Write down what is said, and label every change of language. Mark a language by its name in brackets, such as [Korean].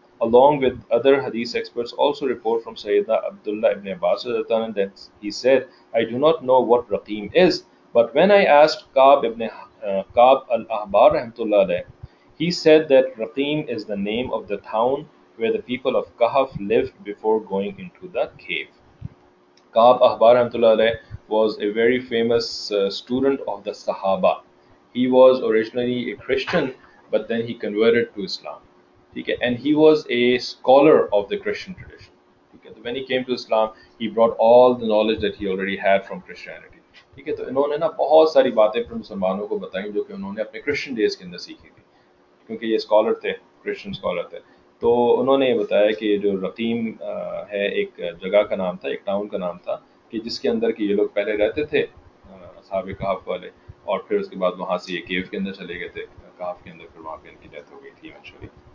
[English] along with other hadith experts, also report from Sayyidina Abdullah ibn Abbas that he said, I do not know what Raqim is, but when I asked Kaab ibn Kaab al-Ahbar, he said that Raqim is the name of the town where the people of Kahf lived before going into the cave. Kaab Ahbar rahmatullah alayh was a very famous student of the Sahaba. He was originally a Christian, but then he converted to Islam. Okay? And he was a scholar of the Christian tradition. Okay? So when he came to Islam, he brought all the knowledge that he already had from Christianity. Okay? [Urdu] So انہوں نے نا بہت ساری باتیں پھر مسلمانوں کو بتائیں جو کہ انہوں نے اپنے کرسچن ڈیز کے اندر سیکھی تھی کیونکہ یہ اسکالر تھے کرسچن اسکالر تھے تو انہوں نے یہ بتایا کہ جو رقیم ہے ایک جگہ کا نام تھا ایک ٹاؤن کا نام تھا کہ جس کے اندر کہ یہ لوگ پہلے رہتے تھے اصحاب کہف والے اور پھر اس کے بعد وہاں سے یہ کیف کے اندر چلے گئے تھے کہف کے اندر پھر وہاں پہ ان کی ڈیتھ ہو گئی تھی ایکچولی